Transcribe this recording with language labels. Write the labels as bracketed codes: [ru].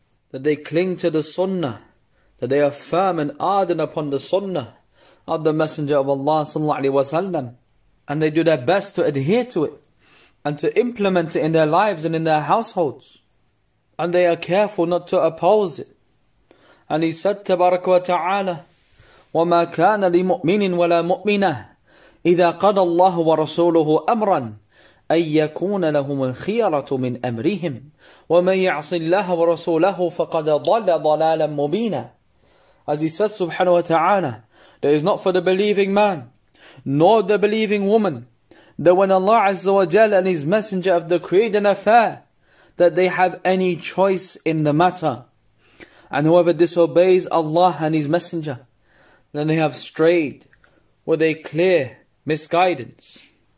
[en] that they cling to the sunnah, that they are firm and ardent upon the sunnah of the Messenger of Allah sallallahu alaihi wasallam, and they do their best to adhere to it and to implement it in their lives and in their households, and they are careful not to oppose it. And he said, tabarak wa ta'ala, [ar] وَمَا كَانَ لِمُؤْمِنٍ وَلَا مُؤْمِنَةٍ إِذَا قَضَى اللَّهُ وَرَسُولُهُ أَمْرًا أَنْ يَكُونَ لَهُمُ الْخِيَرَةُ مِنْ أَمْرِهِمْ وَمَنْ يَعْصِ اللَّهَ وَرَسُولَهُ فَقَدْ ضَلَّ ضَلَالًا مُبِينًا. [en] As he said subhanahu wa ta'ala, there is not for the believing man nor the believing woman that when Allah Azza wa Jal and His Messenger of the Creator affair, that they have any choice in the matter. And whoever disobeys Allah and His Messenger, then they have strayed with a clear misguidance.